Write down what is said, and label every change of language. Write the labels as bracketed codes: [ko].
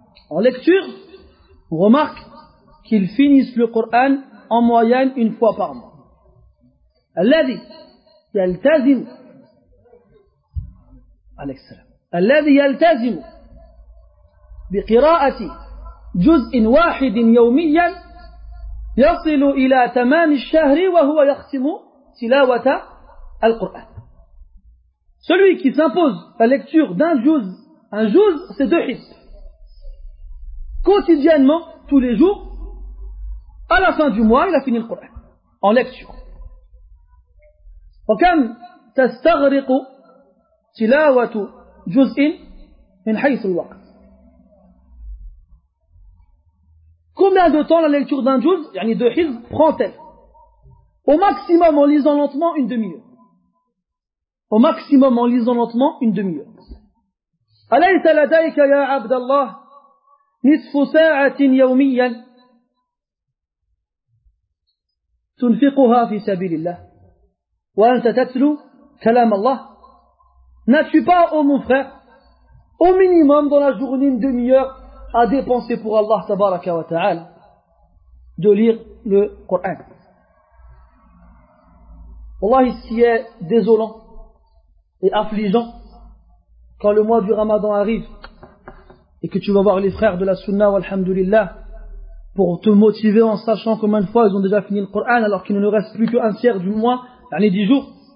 [fr] En lecture, on remarque qu'ils finissent le Coran en moyenne une fois par mois. [ar] الذي يلتزم عليه السلام الذي يلتزم بقراءة جزء واحد يوميا يصل إلى تمام الشهر وهو يختم تلاوة القرآن. [fr] Celui qui s'impose la lecture d'un juz, un juz c'est deux hizb, quotidiennement, tous les jours, à la fin du mois, il a fini le Coran en lecture. [ar] وكم تستغرق تلاوة جزء من حيث الوقت. [fr] Combien de temps la lecture d'un juz, يعني deux hizb, prend-elle? Au maximum en lisant lentement une demi-heure. Au maximum en lisant lentement une demi-heure. [ar] أليس لديك يا عبد الله نصف ساعة يوميا تنفقها في سبيل الله وأنت تتلو كلام الله. [fr] N'as-tu pas, ô mon frère, au minimum dans la journée une demi-heure à dépenser pour Allah tabaraka wa ta'ala de lire le Coran? Wallahi, ce qui est désolant et affligeant quand le mois du Ramadan arrive et que tu vas voir les frères de la Sunna walhamdulillah pour te motiver en sachant combien de fois ils ont déjà fini le Coran alors qu'il ne reste plus qu'un tiers du mois, يعني 10 jours.